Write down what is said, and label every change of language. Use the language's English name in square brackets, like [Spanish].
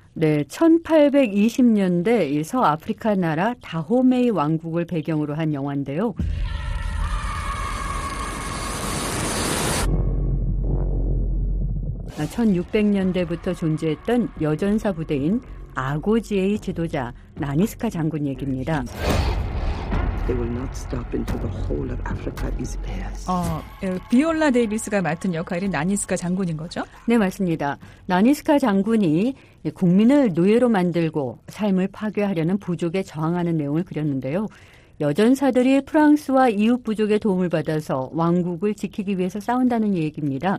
[Korean] 네, 1820년대 서아프리카 나라 다호메이 왕국을 배경으로 한 영화인데요. 1600년대부터 존재했던 여전사 부대인 아고지의 지도자 나니스카 장군 얘기입니다. [English] They will not stop until the whole of Africa is theirs. [Korean] 비올라 데이비스가 맡은 역할이 나니스카 장군인 거죠? 네, 맞습니다. 나니스카 장군이 국민을 노예로 만들고 삶을 파괴하려는 부족에 저항하는 내용을 그렸는데요. 여전사들이 프랑스와 이웃 부족의 도움을 받아서 왕국을 지키기 위해서 싸운다는 얘기입니다.